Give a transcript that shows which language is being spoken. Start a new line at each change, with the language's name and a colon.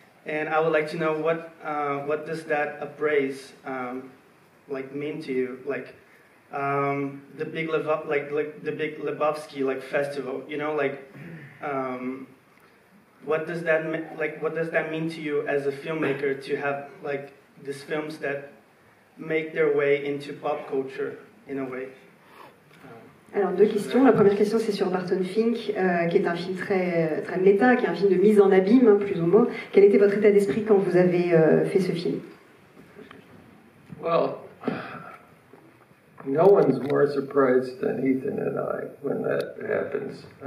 English: And I would like to know what does that appraise, like, mean to you, like, the Big Lebowski festival, you know, like, what does that mean to you as a filmmaker to have like these films that make their way into pop culture in a way?
French: Alors deux questions. La première question, c'est sur Barton Fink, qui est un film très très méta, qui est un film de mise en abîme, hein, plus ou moins. Quel était votre état d'esprit quand vous avez fait ce film?
English: Well, no one's more surprised than Ethan and I when that happens.